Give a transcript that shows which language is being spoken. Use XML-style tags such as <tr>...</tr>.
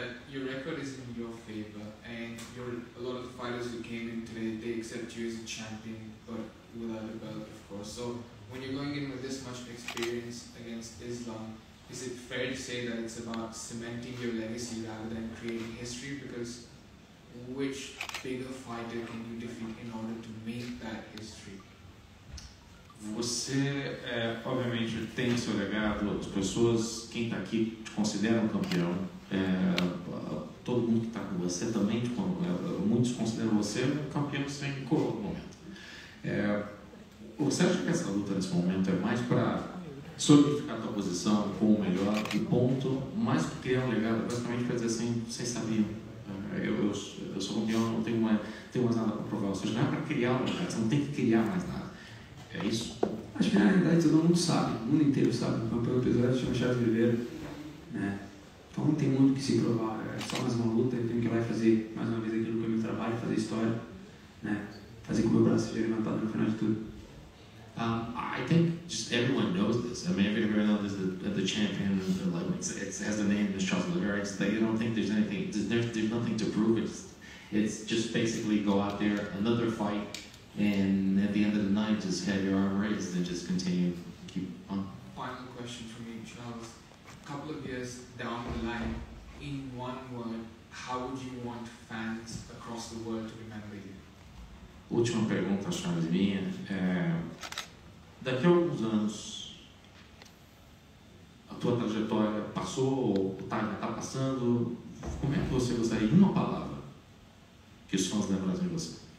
<en>Your record is in your favor, and a lot of the fighters who came in today, they accept you as a champion, but without a belt, of course. So when you're going in with this much experience against Islam, is it fair to say that it's about cementing your legacy rather than creating history? Because which bigger fighter can you defeat in order to make that history?</en> <pt>Você, obviamente, tem seu legado, as pessoas, quem está aqui, te consideram campeão. Todo mundo que está com você também, muitos consideram você um campeão sem coroa no momento. Você acha que essa luta nesse momento é mais para solidificar a tua posição com o melhor e ponto, mais que criar um legado, basicamente para dizer assim, sem saber. Eu sou campeão, não tenho mais nada para provar. Ou seja, não é para criar um legado, você não tem que criar mais nada. É isso? Acho que na realidade todo mundo sabe, o mundo inteiro sabe, o campeão do peso leve chama Charles Oliveira, né? Então não tem muito o que se provar, é só mais uma luta, eu tenho que ir lá e fazer mais uma vez aquilo que é meu trabalho, fazer história, né? Fazer com o meu braço seja levantado no final de tudo.</pt> <en>I think just everyone knows this. I mean, everybody knows this, the champion, like, it has a name, it's Charles Oliveira. It's like, you don't think there's anything, there's nothing to prove, it's just basically go out there, another fight, and at the end of the night, just have your arm raised and just continue, keep on. Final question for me, Charles. A couple of years down the line, in one word, how would you want fans across the world to remember you?</en> <pt>Última pergunta, Charles, minha. Daqui a alguns anos, a tua trajetória passou ou tá passando, como é que você gostaria, em uma palavra, que os fãs lembrassem de você?</pt>